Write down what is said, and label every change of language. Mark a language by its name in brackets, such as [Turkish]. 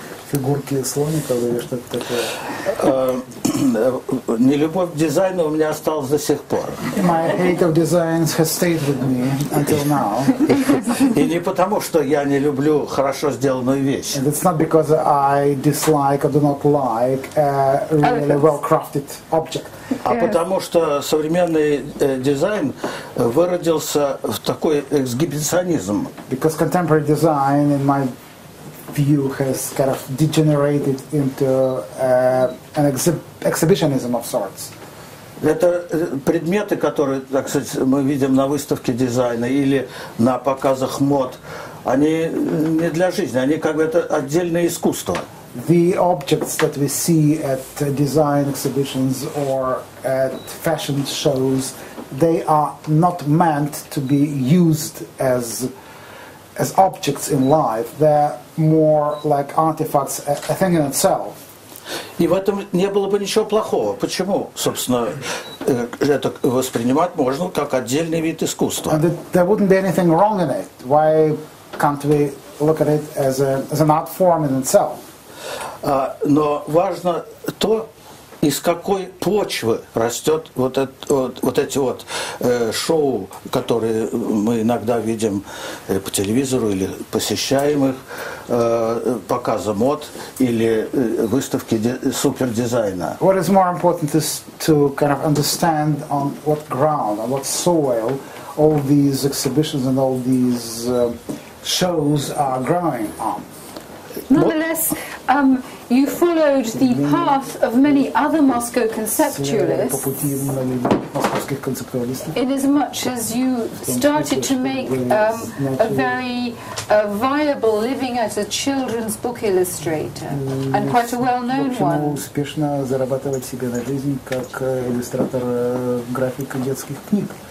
[Russian] Фигурки слоников или что-то такое. Нелюбовь к дизайну у меня осталась до сих пор. [English] My hate of designs has stayed with me until now. [Russian] И не потому, что я не люблю хорошо сделанную вещь. [English] And it's not because I dislike or do not like a really well-crafted object. [Russian] А потому что современный дизайн выродился в такой эксгибиционизм. [English] Because contemporary design in my view has kind of degenerated into an exhibitionism of sorts. [Russian] Это предметы, которые, так сказать, мы видим на выставке дизайна или на показах мод, они не для жизни, они как бы это отдельное искусство. [English] The objects that we see at design exhibitions or at fashion shows, they are not meant to be used as objects in life. They're more like artifacts, a thing in itself. [Russian] И в этом не было бы ничего плохого. Почему, собственно, это воспринимать можно как отдельный вид искусства? [English] And there wouldn't be anything wrong in it. Why can't we look at it as an art form in itself? [Russian] Но важно то, из какой почвы растет вот эти шоу, которые мы иногда видим по телевизору или посещаем их, показы мод или выставки супердизайна. [English] What is more important is to kind of understand on what ground, on what soil all these exhibitions and all these shows are growing on. Nonetheless, you followed the path of many other Moscow conceptualists in as much as you started to make a very viable living as a children's book illustrator and quite a well-known one. [Russian] Успешно зарабатывать себе на жизнь как иллюстратор график детских книг.